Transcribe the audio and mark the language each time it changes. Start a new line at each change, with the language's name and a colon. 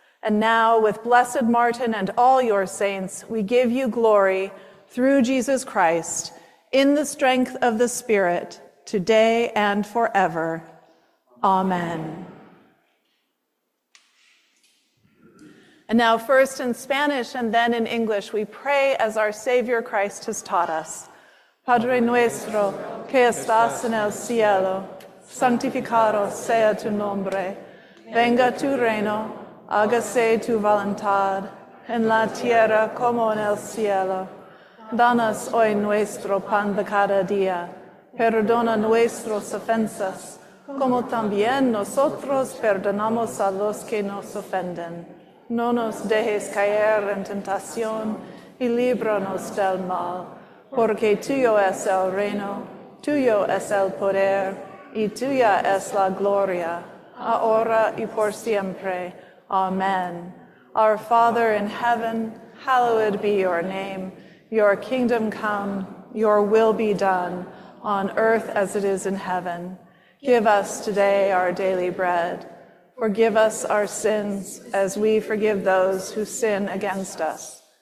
English: And now, with Blessed Martin and all your saints, we give you glory through Jesus Christ, in the strength of the Spirit, today and forever. Amen. And now, first in Spanish and then in English, we pray as our Savior Christ has taught us.
Spanish: Padre nuestro, que estás en el cielo, santificado sea tu nombre, venga tu reino, hágase tu voluntad, en la tierra como en el cielo. Danos hoy nuestro pan de cada día, perdona nuestras ofensas, como también nosotros perdonamos a los que nos ofenden. No nos dejes caer en tentación y líbranos del mal, porque tuyo es el reino, tuyo es el poder, y tuya es la gloria, ahora y por siempre.
English: Amen. Our Father in heaven, hallowed be your name. Your kingdom come, your will be done, on earth as it is in heaven. Give us today our daily bread. Forgive us our sins, as we forgive those who sin against us.